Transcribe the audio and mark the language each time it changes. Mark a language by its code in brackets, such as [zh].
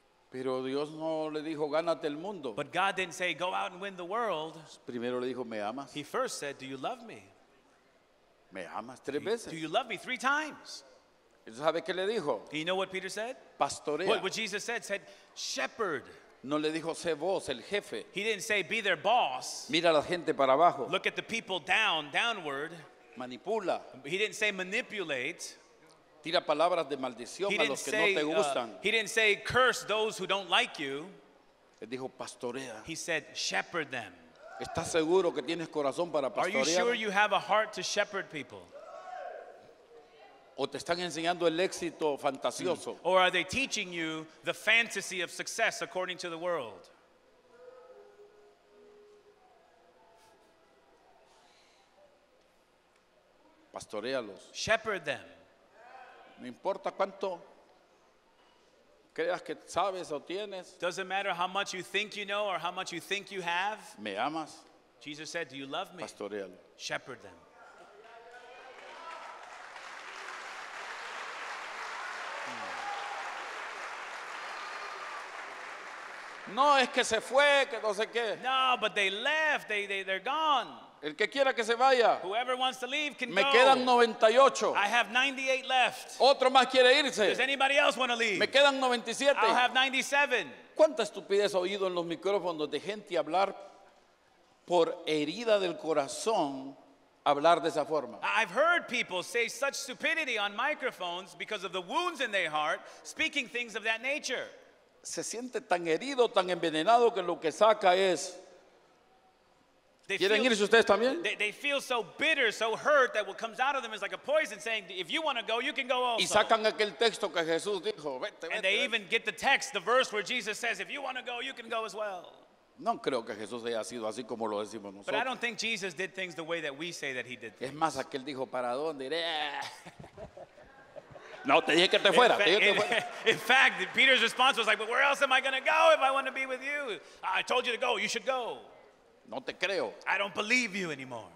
[es] Pero Dios no le dijo, gánate el mundo. [en] But God didn't say, go out and win the world. [es] Primero le dijo, ¿me amas? [en] He first said, do you love me? [es] ¿Me amas? Tres veces. [en] Do you love me? Three times. [es] ¿Sabe qué le dijo? [en] Do you know what Peter said? [es] Pastorea. [en] What Jesus said, shepherd. [es] No le dijo, sé vos, el jefe. [en] He didn't say, be their boss. [es] Mira a la gente para abajo. [en] Look at the people downward. [es] Manipula. [en] He didn't say, manipulate. [es] Tira palabras de maldición a los que [en] say, [es] no te gustan. [en] He didn't say curse those who don't like you. [es] Él dijo pastorea. [en] He said shepherd them. [es] ¿Estás seguro que tienes corazón para pastorear? [en] Are you sure you have a heart to shepherd people? [es] ¿O te están enseñando el éxito fantasioso? [en] Or are they teaching you the fantasy of success according to the world? [es] Pastorealos. [en] Shepherd them. [es] No importa cuánto creas que sabes o tienes. [en] Doesn't matter how much you think you know or how much you think you have. [es] Me amas. [en] Jesus said, do you love me? [es] Pastorealo. [en] Shepherd them. [es] No, es que se fue, que no sé qué. [en] No, but they left. They're gone. [es] El que quiera que se vaya. [en] Whoever wants to leave can [es] me [en] go. [es] Quedan 98. [en] I have 98 left. [es] Otro más quiere irse. [en] Does anybody else want to leave? [es] Me quedan 97. [en] I'll have 97. [es] ¿Cuánta estupidez he oído en los micrófonos de gente hablar por herida del corazón, hablar de esa forma? [en] I've heard people say such stupidity on microphones because of the wounds in their heart, speaking things of that nature. [es] Se siente tan herido, tan envenenado que lo que saca es... ¿Quieren irse ustedes también? [en] They feel so bitter, so hurt that what comes out of them is like a poison saying, if you want to go, you can go also. [es] Y sacan aquel texto que Jesús dijo, vete, vete. [en] And they even get the text, the verse where Jesus says, if you want to go, you can go as well. [es] No creo que Jesús haya sido así como lo decimos nosotros. [en] But I don't think Jesus did things the way that we say that he did things. [es] Es más, aquel dijo, ¿para dónde iré? No, te dije que te fuera. [en] In fact, Peter's response was like, but where else am I going to go if I want to be with you? I told you to go, you should go. [es] No te creo. [en] I don't believe you anymore.